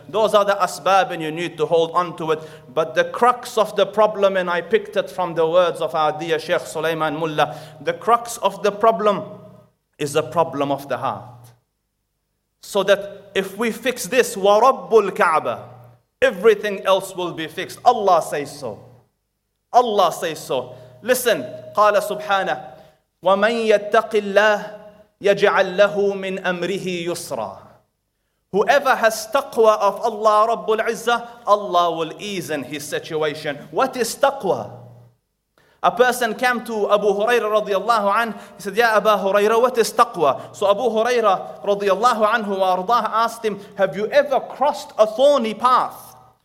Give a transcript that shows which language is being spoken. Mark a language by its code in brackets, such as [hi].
[en] Those are the asbab, and you need to hold on to it. But the crux of the problem, and I picked it from the words of our dear Sheikh Sulaiman Mullah, the crux of the problem is a problem of the heart. So that if we fix this, [ar] وَرَبُّ الْكَعْبَةِ, [en] everything else will be fixed. Allah says so. Allah says so. Listen, [ar] قال سبحانه, وَمَنْ يَتَّقِ اللَّهِ يَجْعَلْ لَهُ مِنْ أَمْرِهِ يُسْرًا. [en] Whoever has taqwa of Allah, Rabbul Izzah, Allah will ease in his situation. What is taqwa? A person came to Abu Huraira radiallahu anhu. He said, Ya Abu Huraira, what is taqwa? So Abu Huraira radiallahu anhu wa ardaha asked him, have you ever crossed a thorny path?